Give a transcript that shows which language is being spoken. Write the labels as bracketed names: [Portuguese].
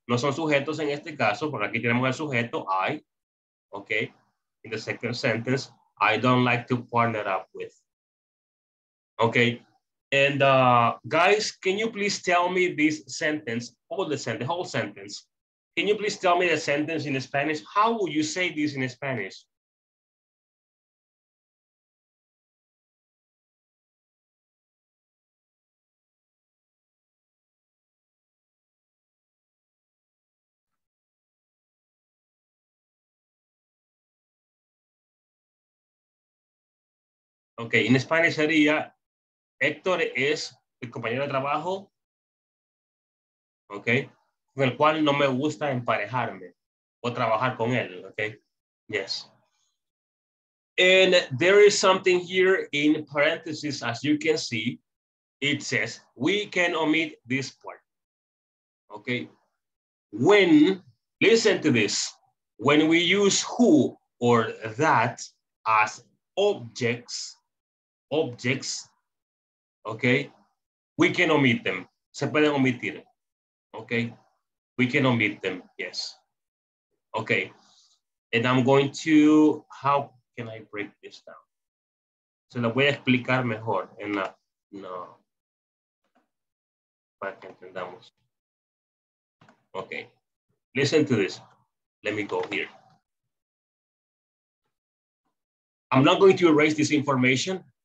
[Spanish] No son sujetos en este caso, porque aquí tenemos el sujeto, I, okay? [English] In the second sentence, I don't like to partner up with, okay? And guys, can you please tell me this sentence, the whole sentence? Can you please tell me the sentence in Spanish? How would you say this in Spanish? Okay, in Spanish [Spanish] sería, Héctor es el compañero de trabajo, okay, con el cual no me gusta emparejarme o trabajar con él, okay, yes. [English] And there is something here in parentheses, as you can see, it says, we can omit this part, okay. When, listen to this, when we use who or that as objects, okay, we can omit them. [Spanish] Se pueden omitir. [English] Okay, we can omit them. Yes. Okay, And I'm going to, how can I break this down? [Spanish] So la voy a explicar mejor en la, no. Para que entendamos. [English] Okay, listen to this. Let me go here. I'm not going to erase this information.